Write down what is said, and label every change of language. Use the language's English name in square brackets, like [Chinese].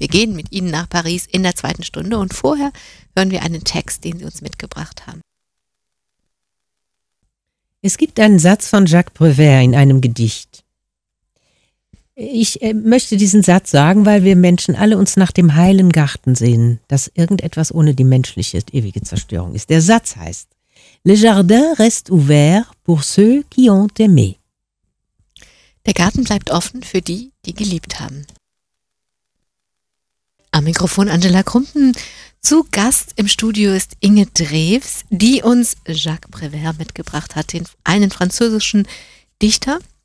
[German] Wir gehen mit Ihnen nach Paris in der zweiten Stunde. Und vorher hören wir einen Text, den Sie uns mitgebracht haben. Es gibt einen Satz von Jacques Prévert in einem Gedicht. Ich möchte diesen Satz sagen, weil wir Menschen alle uns nach dem heilen Garten sehnen, dass irgendetwas ohne die menschliche ewige Zerstörung ist. Der Satz heißt: [French] Le jardin reste ouvert pour ceux qui ont aimé. [German] Der Garten bleibt offen für die, die geliebt haben. Am Mikrofon Angela Krumpen. Zu Gast im Studio ist Inge Drews, die uns Jacques Prévert mitgebracht hat, einen französischen Dichter.